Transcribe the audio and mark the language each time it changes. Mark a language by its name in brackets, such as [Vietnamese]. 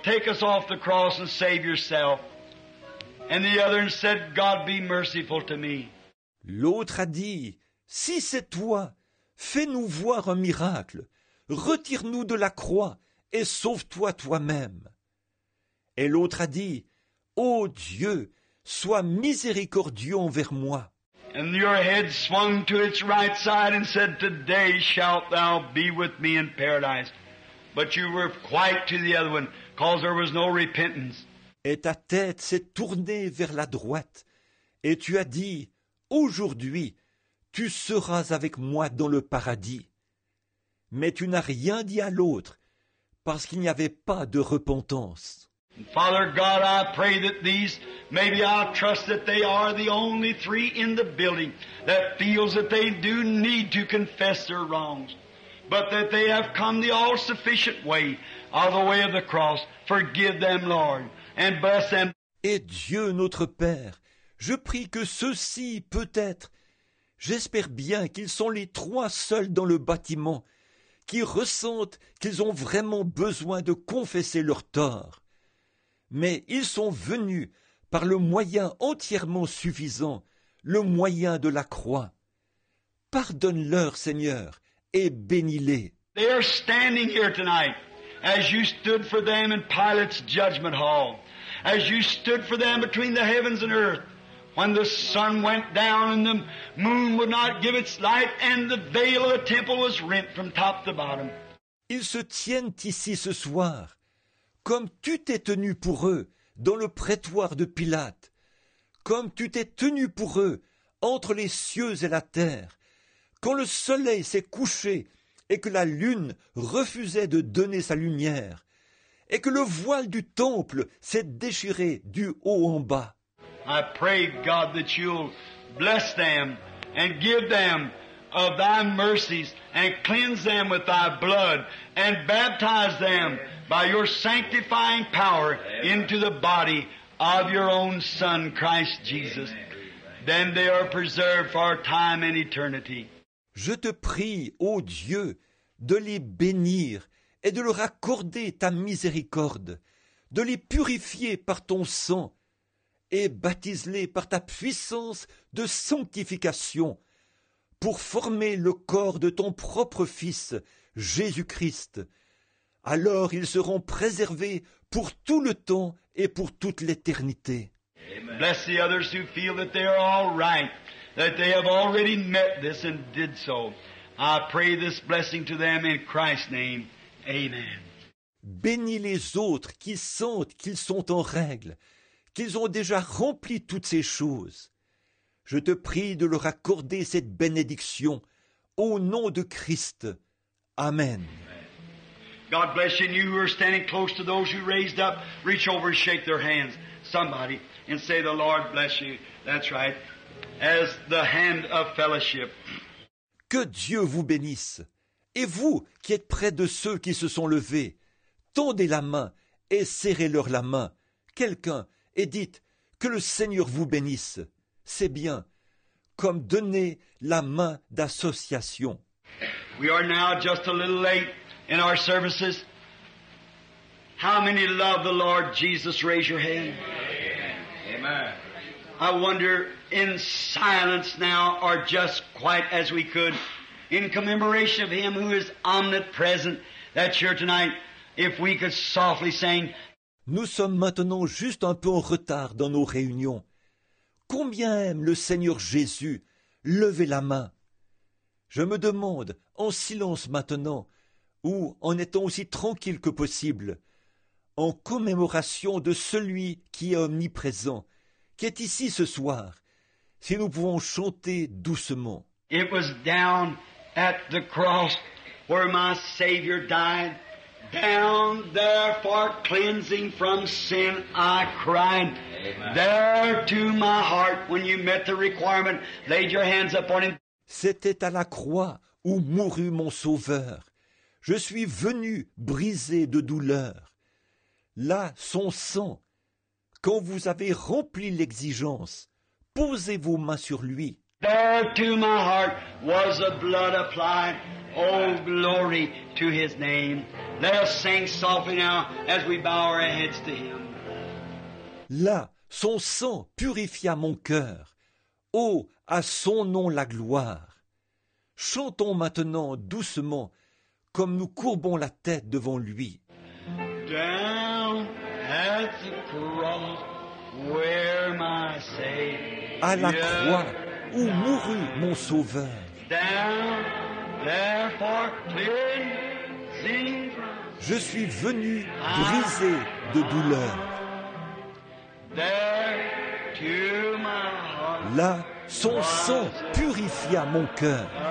[English] Take us off the cross and save yourself. » And the other said, God be merciful to me. [French] L'autre a dit, si c'est toi, fais-nous voir un miracle. Retire-nous de la croix et sauve-toi toi-même. Et l'autre a dit, ô Dieu, sois miséricordieux envers moi. [English] And your head swung to its right side and said, today shalt thou be with me in paradise. But you were quiet to the other one, cause there was no repentance. [French] Et ta tête s'est tournée vers la droite, et tu as dit, « Aujourd'hui, tu seras avec moi dans le paradis. » Mais tu n'as rien dit à l'autre, parce qu'il n'y avait pas de repentance. [English] Father God, I pray that these, maybe I trust that they are the only three in the building that feels that they do need to confess their wrongs, but that they have come the all-sufficient way of the way of the cross. Forgive them, Lord. And bless them. [French] Et Dieu, notre Père, je prie que ceux-ci, peut-être, j'espère bien qu'ils sont les trois seuls dans le bâtiment, qui ressentent qu'ils ont vraiment besoin de confesser leurs torts. Mais ils sont venus par le moyen entièrement suffisant, le moyen de la croix. Pardonne-leur, Seigneur, et bénis-les. [English] They are standing here tonight. As you stood for them in Pilate's judgment hall, as you stood for them between the heavens and earth, when the sun went down and the moon would not give its light and the veil of the temple was rent from top to bottom. [French] Ils se tiennent ici ce soir, comme tu t'es tenu pour eux dans le prétoire de Pilate, comme tu t'es tenu pour eux entre les cieux et la terre, quand le soleil s'est couché et que la lune refusait de donner sa lumière, et que le voile du temple s'est déchiré du haut en bas. [English] I pray, God, that you'll bless them and give them of thy mercies and cleanse them with thy blood and baptize them by your sanctifying power into the body of your own Son, Christ Jesus. Then they are preserved for time and eternity. [French] Je te prie, ô Dieu, de les bénir et de leur accorder ta miséricorde, de les purifier par ton sang et baptise-les par ta puissance de sanctification pour former le corps de ton propre Fils, Jésus-Christ. Alors ils seront préservés pour tout le temps et pour toute l'éternité. Amen. [English] Bless the others who feel that they are all right, that they have already met this and did so. I pray this blessing to them in Christ's name. Amen. [French] Bénis les autres qui sentent qu'ils sont en règle, qu'ils ont déjà rempli toutes ces choses. Je te prie de leur accorder cette bénédiction au nom de Christ. Amen. [English] God bless you, and you who are standing close to those who raised up, reach over and shake their hands, somebody, and say, the Lord bless you. That's right. As the hand of fellowship. [French] Que Dieu vous bénisse. Et vous, qui êtes près de ceux qui se sont levés, tendez la main et serrez-leur la main. Quelqu'un, et dites, que le Seigneur vous bénisse. C'est bien, comme donner la main d'association. [English] We are now just a little late in our services. How many love the Lord Jesus? Raise your hand. Amen. Amen. I wonder, in silence now, or just quiet as we could, in commemoration of Him who is omnipresent, that's here tonight, if we could softly sing. [French] Nous sommes maintenant juste un peu en retard dans nos réunions. Combien aime le Seigneur Jésus? Levez la main. Je me demande, en silence maintenant, ou en étant aussi tranquille que possible, en commémoration de celui qui est omniprésent, qui est ici ce soir, si nous pouvons chanter doucement. [English] It was down at the cross where my Savior died. Down there for cleansing from sin I cried. Amen. There to my heart when you met the requirement, laid your hands upon him. [French] C'était à la croix où mourut mon Sauveur. Je suis venu brisé de douleur. Là, son sang, quand vous avez rempli l'exigence, posez vos mains sur lui. [English] There to my heart was the blood applied. Oh, glory to his name. Let us sing softly now as we bow our heads to him. [French] Là, son sang purifia mon cœur. Oh, à son nom la gloire. Chantons maintenant doucement comme nous courbons la tête devant lui. [English] Down at the cross where my Savior. [French] À la croix où mourut mon Sauveur. [English] Down there for cleansing. [French] Je suis venu brisé de douleur. [English] There to my heart. [French] Là, son sang purifia mon cœur.